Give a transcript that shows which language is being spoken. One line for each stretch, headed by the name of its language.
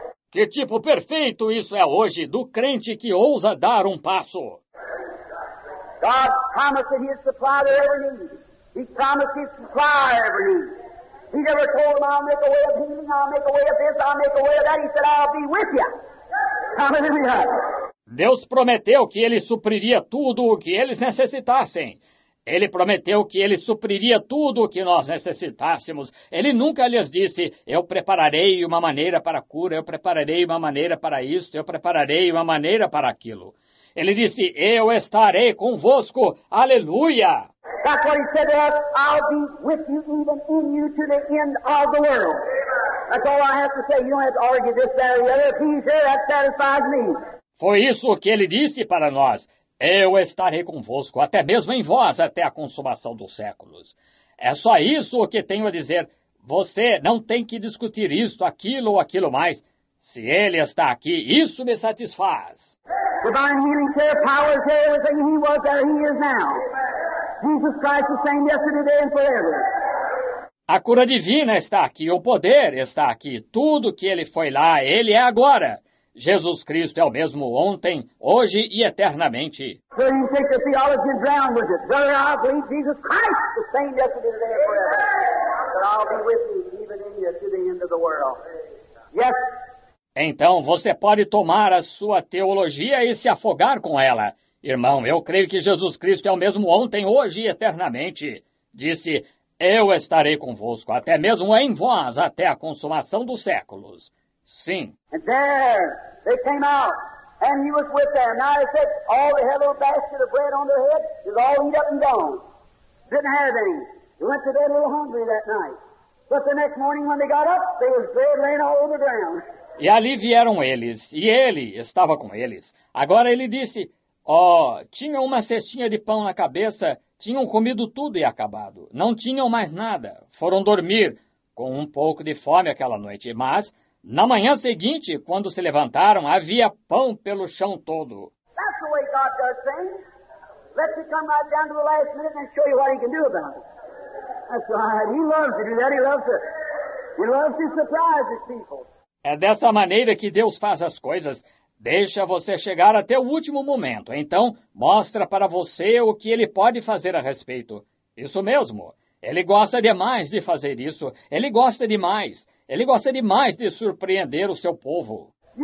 Portuguese: Que tipo perfeito isso é hoje, do crente que ousa dar um passo.
English: God promised that he'd supply their every need. He promised he'd supply every need. He never told them, I'll make a way of healing, I'll make a way of this, I'll make a way of that. He said, I'll be with you. Hallelujah!
Portuguese: Deus prometeu que ele supriria tudo o que eles necessitassem. Ele prometeu que ele supriria tudo o que nós necessitássemos. Ele nunca lhes disse, eu prepararei uma maneira para a cura, eu prepararei uma maneira para isso, eu prepararei uma maneira para aquilo. Ele disse, eu estarei convosco. Aleluia!
English: That's what he said to us, I'll be with you, even in you, to the end of the world. That's all I have to say. You don't have to argue this, that, or the other. If he's here, that satisfies me.
Portuguese: Foi isso que ele disse para nós. Eu estarei convosco, até mesmo em vós, até a consumação dos séculos. É só isso o que tenho a dizer. Você não tem que discutir isto, aquilo ou aquilo mais. Se ele está aqui, isso me satisfaz.
English: Divine healing care, power is there, everything he was there, he is now. Jesus Christ the same yesterday, today and forever.
Portuguese: A cura divina está aqui, o poder está aqui, tudo que ele foi lá, ele é agora. Jesus Cristo é o mesmo ontem, hoje e eternamente.
English: Sir, you take the theology and drown with it. Brother, I believe Jesus Christ the same yesterday, today and forever. But I'll be with you, even in you, to the end of the world. Yes.
Portuguese: Então, você pode tomar a sua teologia e se afogar com ela. Irmão, eu creio que Jesus Cristo é o mesmo ontem, hoje e eternamente. Disse, eu estarei convosco, até mesmo em vós, até a consumação dos séculos. Sim.
English: And there, they came out, and he was with them. Now, they said, all they had a little basket of bread on their head, is all eaten up and gone. Didn't have any. They went to bed a little hungry that night. But the next morning, when they got up, there was bread laying all over the ground.
Portuguese: E ali vieram eles, e ele estava com eles. Agora ele disse, tinham uma cestinha de pão na cabeça, tinham comido tudo e acabado. Não tinham mais nada. Foram dormir com um pouco de fome aquela noite. Mas, na manhã seguinte, quando se levantaram, havia pão pelo chão todo.
English: That's the way God does things. Let me come right down to the last minute and show you what he can do about it. That's right. He loves to do that. He loves to surprise his people.
Portuguese: É dessa maneira que Deus faz as coisas. Deixa você chegar até o último momento. Então, mostra para você o que ele pode fazer a respeito. Isso mesmo. Ele gosta demais de fazer isso. Ele gosta demais. Ele gosta demais de surpreender o seu povo.